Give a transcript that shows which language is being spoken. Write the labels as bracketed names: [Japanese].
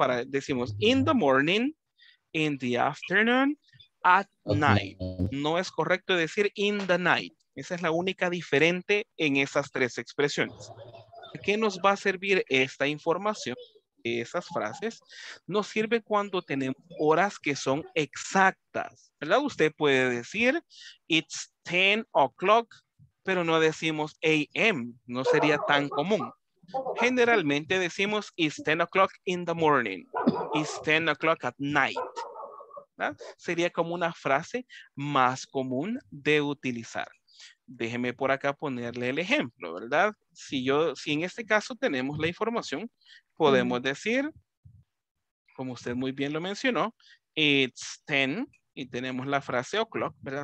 [Spanish] Para decimos [English] in the morning, in the afternoon, at night. [Spanish] No es correcto decir [English] in the night. [Spanish] Esa es la única diferente en esas tres expresiones. ¿Qué nos va a servir esta información? Esas frases nos sirve cuando tenemos horas que son exactas, ¿verdad? Usted puede decir [English] it's 10 o'clock, [Spanish] pero no decimos AM, no sería tan común. Generalmente decimos [English] it's 10 o'clock in the morning, it's 10 o'clock at night, ¿verdad? [Spanish] Sería como una frase más común de utilizar. Déjeme por acá ponerle el ejemplo, ¿verdad? Si en este caso tenemos la información, podemos decir, como usted muy bien lo mencionó, [English] it's 10 [Spanish] y tenemos la frase o'clock, ¿verdad?